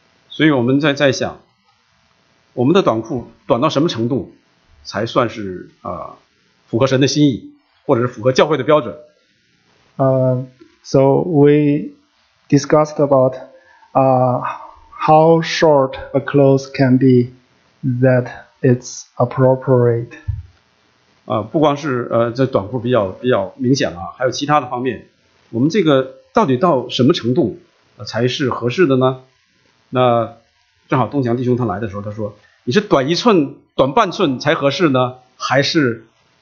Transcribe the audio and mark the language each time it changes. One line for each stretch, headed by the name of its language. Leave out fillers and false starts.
Chinese: 所以我们在想，我们的短裤短到什么程度才算是符合神的心意，或者是符合教会的标准。
English: So we discussed about how short a clothes can be that it's appropriate.
Chinese: 不光是这短裤比较明显了，还有其他的方面。我们这个到底到什么程度才是合适的呢？那正好东强弟兄他来的时候，他说：“你是短一寸、短半寸才合适呢，还是？”